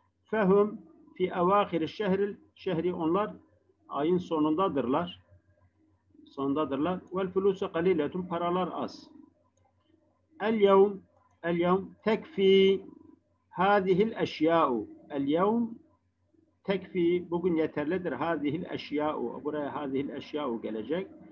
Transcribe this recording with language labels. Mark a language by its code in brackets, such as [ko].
[ar] فهم في أواخر الشهر الشهري [tr] onlar ayın sonundadırlar. [ar] والفلوس قليلة [tr] paralar az. [ar] اليوم تكفي هذه الأشياء. اليوم تكفي [tr] bugün yeterlidir. [ar] هذه الأشياء [tr] buraya [ar] هذه الأشياء [tr] gelecek.